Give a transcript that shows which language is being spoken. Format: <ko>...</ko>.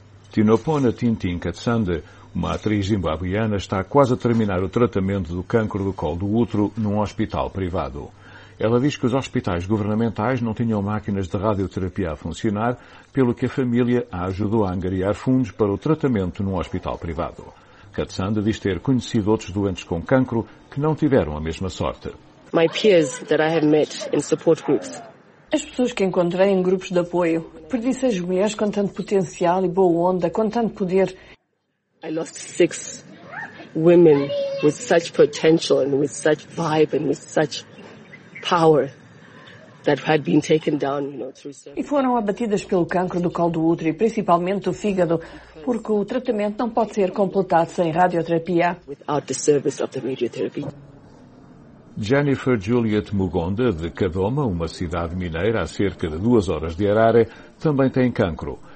<pt>Tinopona Tintin Katsande, uma atriz zimbabuiana, está quase a terminar o tratamento do cancro do colo do útero num hospital privado. Ela diz que os hospitais governamentais não tinham máquinas de radioterapia a funcionar, pelo que a família a ajudou a angariar fundos para o tratamento num hospital privado. Katsande diz ter conhecido outros doentes com cancro que não tiveram a mesma sorte.</pt> <en>My peers that I have met in support groups.</en> <pt>As pessoas que encontrei em grupos de apoio, perdi 6 mulheres com tanto potencial e boa onda, com tanto poder.</pt> <en>I lost 6 women with such potential and with such vibe and with such power that had been taken down, you know, through surgery.</en> <pt>E foram abatidas pelo cancro do colo do útero e principalmente do fígado, porque o tratamento não pode ser completado sem radioterapia.</pt> <en>Without the service of the radiotherapy.</en> <pt>Jennifer Juliet Mugonda, de Kadoma, uma cidade mineira a cerca de 2 horas de Harare, também tem cancro.</pt>